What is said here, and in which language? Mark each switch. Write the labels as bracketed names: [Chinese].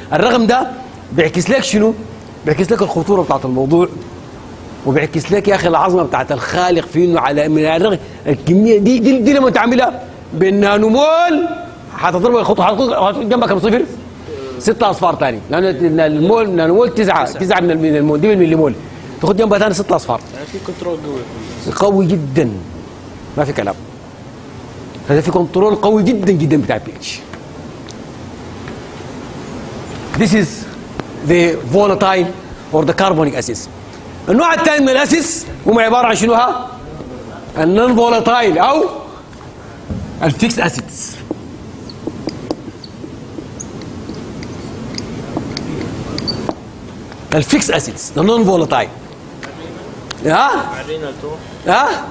[Arabic] الرقم ده بيعكس لك شنو؟ بيعكس لك الخطوره بتاعت الموضوع، وبيعكس لك يا اخي العظمه بتاعت الخالق في انه على من الرغم الكميه دي دي لما تعملها بالنانو مول حتضرب الخطوه حتضرب جنبها كم صفر؟ ستة اصفار ثاني، لان المول نانو مول تسعه من المول دي بالملي مول، تاخذ جنبها ثاني ستة اصفار. يعني في كنترول قوي جدا، ما في كلام، هذا في كنترول قوي جدا جدا بتاع بي اتش. [English] This is the volatile or the carbonic acids. [Arabic] النوع الثاني من الاسس هم عباره عن شنو؟ ها النون فولاتايل او الفيكس اسيدز. الفيكس اسيدز النون فولاتايل ها ها